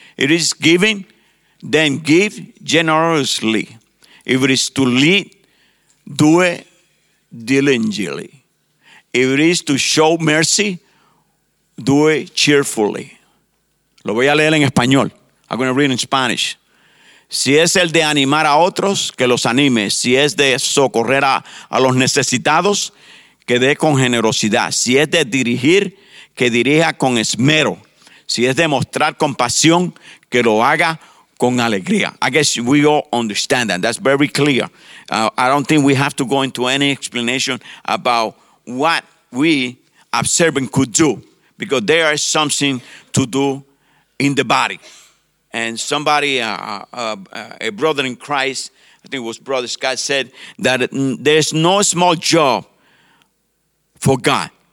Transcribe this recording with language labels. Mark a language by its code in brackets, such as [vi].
[en] It is giving, then give generously. If it is to lead, do it diligently. If it is to show mercy, do it cheerfully. [es] Lo voy a leer en español. [en] I'm going to read in Spanish. [es] Si es el de animar a otros, que los anime. Si es de socorrer a los necesitados, que dé con generosidad. Si es de dirigir, que dirija con esmero. Si es de mostrar compasión, que lo haga con alegría. [en] I guess we all understand that. That's very clear. I don't think we have to go into any explanation about what we observing could do, because there is something to do in the body. And somebody, a brother in Christ, I think it was Brother Scott, said that there's no small job for God.